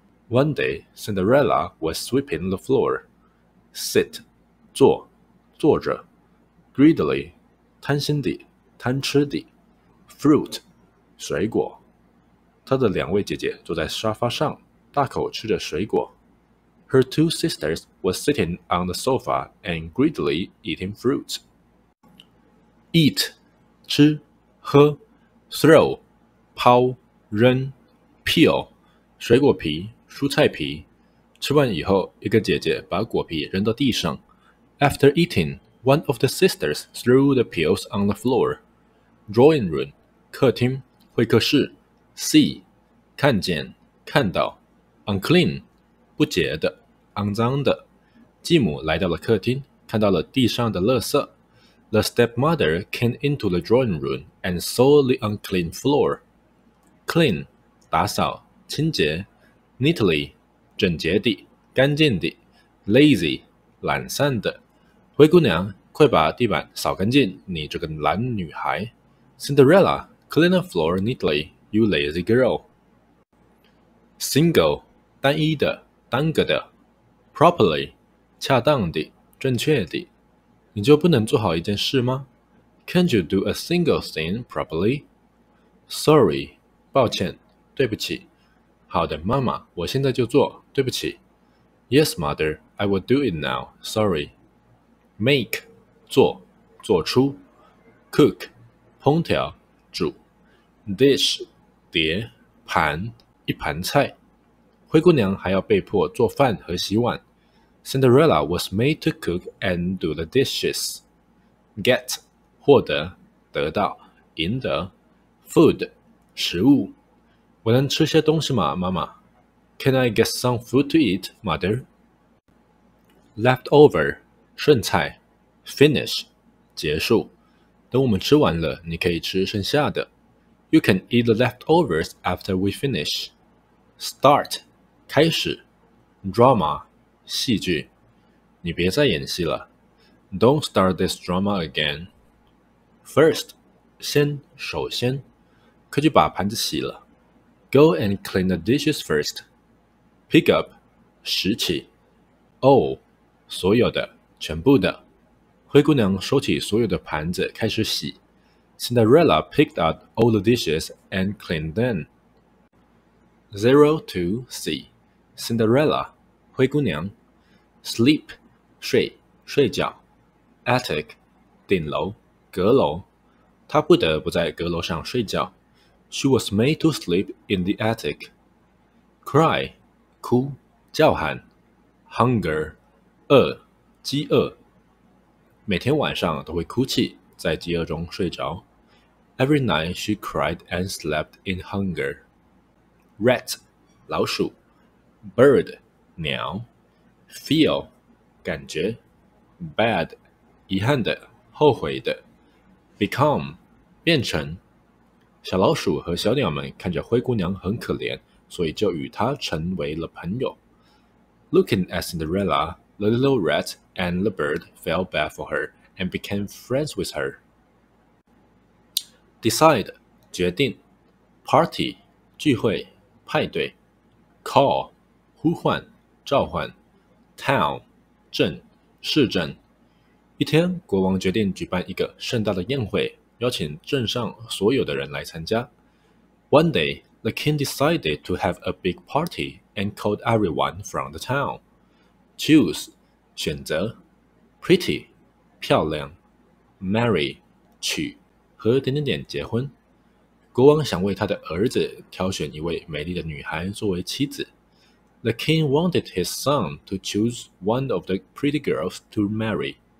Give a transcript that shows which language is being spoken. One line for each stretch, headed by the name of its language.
English: One day, Cinderella was sweeping the floor. Sit,
Chinese: 坐，坐着。 Greedily, 贪心地，贪吃地。Fruit, 水果。她的两位姐姐坐在沙发上，大口吃着水果。
English: Her two sisters were sitting on the sofa and greedily eating fruit.
Chinese: Eat, 吃，喝。Throw,抛、扔、peel、水果皮、蔬菜皮。吃完以后，一个姐姐把果皮扔到地上。
English: After eating, one of the sisters threw the peels on the floor.
Chinese: Drawing room, 客厅、会客室。See, 看见、看到。 Unclean, 不洁的、肮脏的。继母来到了客厅，看到了地上的垃圾。
English: The stepmother came into the drawing room and saw the unclean floor.Clean,
Chinese: 打扫、清洁
English: neatly
Chinese: 整洁的干净的
English: lazy
Chinese: 懒散的灰姑娘快把地板扫干净你这个懒女孩
English: Cinderella clean the floor neatly you lazy girl single
Chinese: 单一的单个的
English: properly
Chinese: 恰当的正确的你就不能做好一件事吗
English: Can't you do a single thing properly?
Chinese: Sorry, 抱歉,对不起。好的,妈妈,我现在就做,对不起。
English: Yes, mother, I will do it now, sorry. Make,
Chinese: 做,做出。 Cook, 烹调,煮。Dish, 碟,盘,一盘菜。灰姑娘还要被迫做饭和洗碗。
English: Cinderella was made to cook and do the dishes.
Chinese: Get, 获得,得到,赢得。 Food, 食物。我能吃些东西吗,妈妈?
English: Can I get some food to eat, mother? Leftover,
Chinese: 剩菜。 Finish, 结束。等我们吃完了,你可以吃剩下的。
English: You can eat the leftovers after we finish.
Chinese: Start, 开始。Drama,戏剧，你别再演戏了。
English: Don't start this drama again. First,
Chinese: 先，首先。
English: Could you
Chinese: 把盘子洗了。
English: Go and clean the dishes first.
Chinese: Pick up, 拾起。All, 所有的，全部的。灰姑娘收起所有的盘子，开始洗。
English: Cinderella picked up all the dishes and cleaned them. 0-2-C, Cinderella, 灰姑娘。
Chinese: Sleep, 睡, 睡觉。Attic, 顶楼, 阁楼。她不得不在阁楼上睡觉。
English: She was made to sleep in the attic.
Chinese: Cry, 哭, 叫喊。Hunger, 饿, 饥饿。每天晚上都会哭泣,在饥饿中睡着。
English: Every night she cried and slept in hunger.
Chinese: Rat, 老鼠。Bird, 鸟。 Feel, 感觉 Bad, 遗憾的,后悔的 Become, 变成小老鼠和小鸟们看着灰姑娘很可怜所以就与她成为了朋友
English: Looking at Cinderella, the little rat and the bird felt bad for her and became friends with her Decide, 决定 Party,
Chinese: 聚会,派对
English: Call,
Chinese: 呼唤,召唤
English: Town,
Chinese: 镇,市镇。一天,国王决定举办一个盛大的宴会,邀请镇上所有的人来参加。
English: One day, the king decided to have a big party and called everyone from the town.
Chinese: Choose, 选择。Pretty, 漂亮。 Marry, 娶,和点点点结婚。国王想为他的儿子挑选一位美丽的女孩作为妻子。
English: The king wanted his son to choose one of the pretty girls to marry.